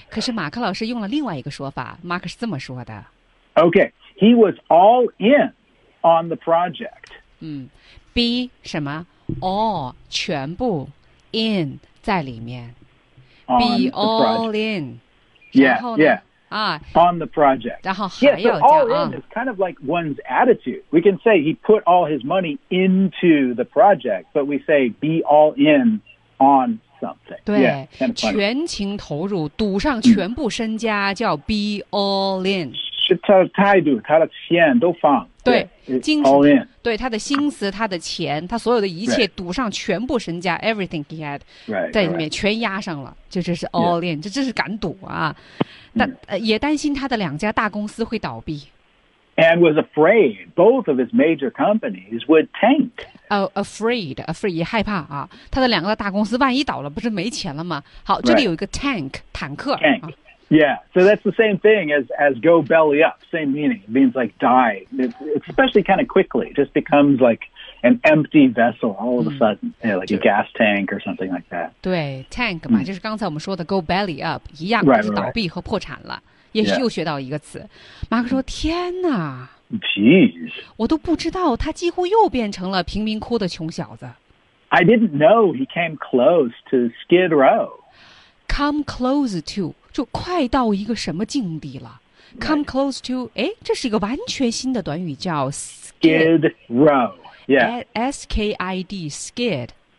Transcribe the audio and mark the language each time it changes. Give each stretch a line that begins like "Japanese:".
Chinese: 可是马克老师用了另外一个说法马克是这么说的。
English: Okay, he was all in on the project.
Chinese: Be 什么 all, 全部 in 在里面。
English: On、 Be all in. Yeah, yeah. On the project. Yeah, so all in is kind of like one's attitude. We can say he put all his money into the project, but we say be all in on something.
Chinese: 对
English: yeah, kind of funny.
Chinese: 全情投入赌上全部身家叫 be all in. 是他的态度他的钱都放。对精神
English: all in.
Chinese: 对他的心思他的钱他所有的一切赌上全部身家
English: everything he had,
Chinese: 在里面全压上了就这是 all in, 这真是敢赌啊。但、也担心他的两家大公司会倒闭。
English: And was afraid both of his major companies would tank.
Chinese: Afraid, 也害怕啊。他的两个大公司万一倒了不是没钱了吗好这里有一个 tank, 坦克。
English: Tank.、啊 Yeah, so that's the same thing as go belly up, same meaning. It means like die, especially kind of quickly. It just becomes like an empty vessel all of a sudden, yeah, like a gas tank or something like that.
Chinese: 对 ,tank 嘛、就是刚才我们说的 go belly up, 一样就是倒闭和破产了。
English: Right.
Chinese: 也是又学到一个词。
English: Yeah.
Chinese: 马克说天哪
English: Jeez.
Chinese: 我都不知道他几乎又变成了贫民窟的穷小子。
English: I didn't know he came close to Skid Row. Come close to...
Chinese: 就快到一个什么境地了 ？
English: Come close to，
Chinese: 哎，这是一个完全新的短语，叫
English: skid row， yeah， S K I D skid、